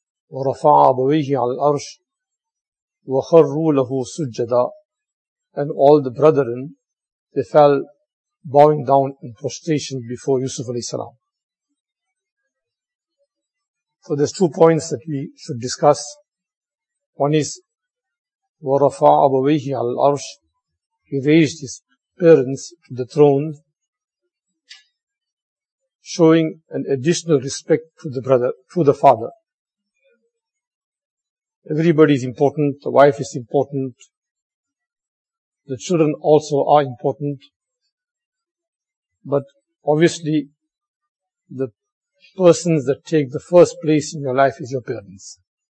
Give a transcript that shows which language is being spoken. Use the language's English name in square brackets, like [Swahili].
[Arabic] وَرَفَعَ أَبَوَيْهِ عَلَى الْعَرْشِ وَخَرُّوا لَهُ سُجَّدًا. [English] And all the brethren, they fell bowing down in prostration before Yusuf alayhi salam. So there's two points that we should discuss. One is, [Arabic] وَرَفَعَ أَبَوَيْهِ عَلَى الْعَرْشِ. [English] He raised his parents to the throne, showing an additional respect to the brother, to the father. Everybody is important, the wife is important, the children also are important, but obviously the persons that take the first place in your life is your parents.